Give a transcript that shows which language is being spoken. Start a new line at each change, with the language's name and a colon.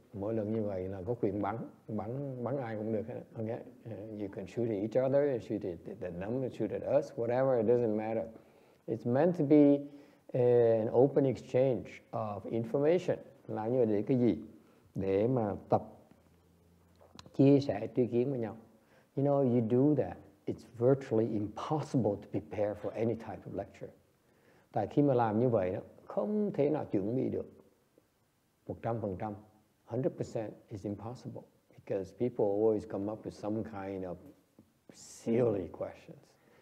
Vietnamese: Mỗi lần như vậy là có quyền bắn ai cũng được.
English: Okay, you can shoot at each other, shoot at the number, shoot at us, whatever. It doesn't matter. It's meant to be an open exchange of information.
Vietnamese: Là như để cái gì? Để mà tập chia sẻ tri kiến với nhau.
English: You know, you do that, it's virtually impossible to prepare for any type of lecture.
Vietnamese: Tại khi mà làm như vậy, không thể nào chuẩn bị được.
English: 100%, 100% is impossible because people always come up with some kind of silly questions.